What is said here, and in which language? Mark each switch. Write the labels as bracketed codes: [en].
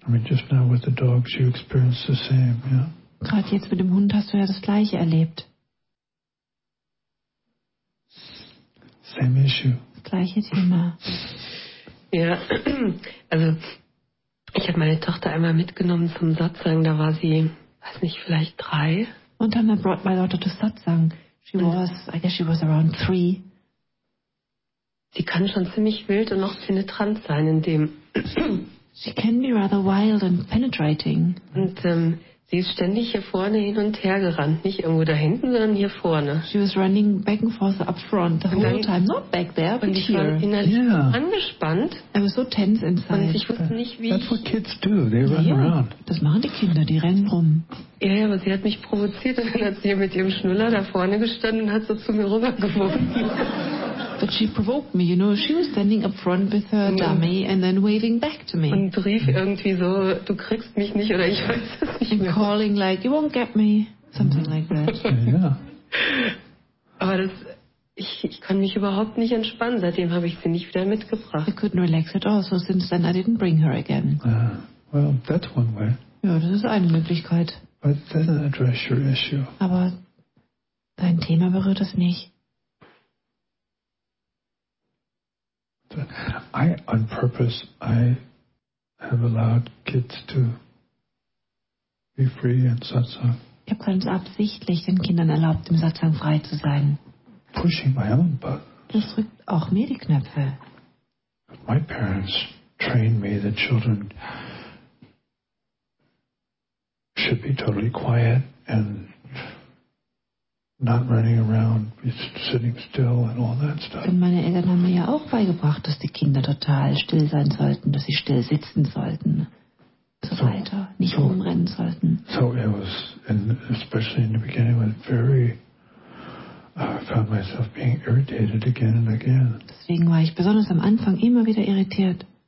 [en] I mean, just now with the dogs, you experienced the same, yeah. [de] Gerade jetzt mit dem Hund hast du ja das Gleiche erlebt. [en] Same issue. [de] Das gleiche Thema. Ja, also ich habe meine Tochter einmal mitgenommen zum Satsang. Da war sie, weiß nicht, vielleicht 3. Und dann [en] brought my daughter to Satsang. She was, I guess she was around 3. [de] Sie kann schon ziemlich wild und noch penetrant sein in dem. [en] She can be rather wild and penetrating. [de] Und sie ist ständig hier vorne hin und her gerannt. Nicht irgendwo da hinten, sondern hier vorne. [en] She was running back and forth up front the whole time. Not back there, but here. [de] Und ich war innerlich angespannt. [en] I was so tense inside. [de] Und ich wusste nicht, wie [en] That's what kids do, they run around. [de] Das machen die Kinder, die rennen rum. Ja, aber sie hat mich provoziert und dann hat sie mit ihrem Schnuller da vorne gestanden und hat so zu mir rübergeworfen. [en] But she provoked me, you know. She was standing up front with her dummy and then waving back to me. [de] Und rief irgendwie so, du kriegst mich nicht, oder ich weiß es nicht mehr. [en] And calling like, you won't get me. Something like that. Yeah. [de] Aber das, ich kann mich überhaupt nicht entspannen. Seitdem habe ich sie nicht wieder mitgebracht. [en] I couldn't relax at all, so since then I didn't bring her again. Well, that's one way. [de] Ja, das ist eine Möglichkeit. [en] But then address your issue. [de] Aber dein Thema berührt es nicht. [en] I, on purpose, I have allowed kids to be free in satsang. [de] Ich habe ganz absichtlich den Kindern erlaubt, im Satsang frei zu sein. [en] Pushing my own buttons. [de] Das drückt auch mir die Knöpfe. [en] My parents trained me that children should be totally quiet and not running around, sitting still and all that stuff. [de] Und meine Eltern haben mir ja auch beigebracht, dass die Kinder total still sein sollten, dass sie still sitzen sollten, nicht rumrennen sollten. [en] So it was, and especially in the beginning, when I found myself being irritated again and again. [de] Deswegen war ich besonders am Anfang immer wieder irritiert.